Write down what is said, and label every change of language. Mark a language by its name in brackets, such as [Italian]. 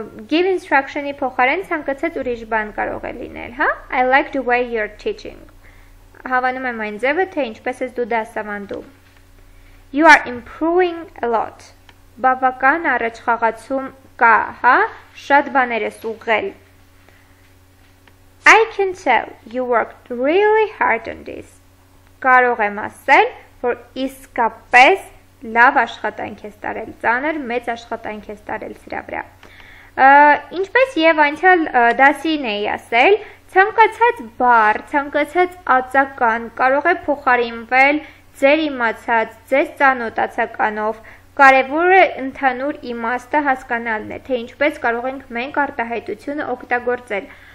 [Armenian] give instruction-ի փոխարեն ցանկացած ուրիշ բան կարող է լինել, հա? [English] I like the way you're teaching. [Armenian] Հավանում եմ այն ձևը, թե ինչպես ես դու դասավանդում. [English] You are improving a lot. [Armenian] Բավական առաջխաղացում կա, հա? Շատ բաներ ես ուղղել. [English] I can tell you worked really hard on this. [Armenian] Կարող եմ ասել, որ իսկապես լավ աշխատանք ես տարել, ծանր մեծ աշխատանք ես տարել սրա վրա։ Ինչպես եւ անցյալ դասին էի ասել, ցանկացած բառ, ցանկացած ածական կարող է փոխարինվել ձեր իմացած, ձեր ծանոթացականով։ Կարևորը ընդհանուր իմաստը հասկանալն է, թե ինչպես կարող ենք մենք արտահայտությունը օգտագործել։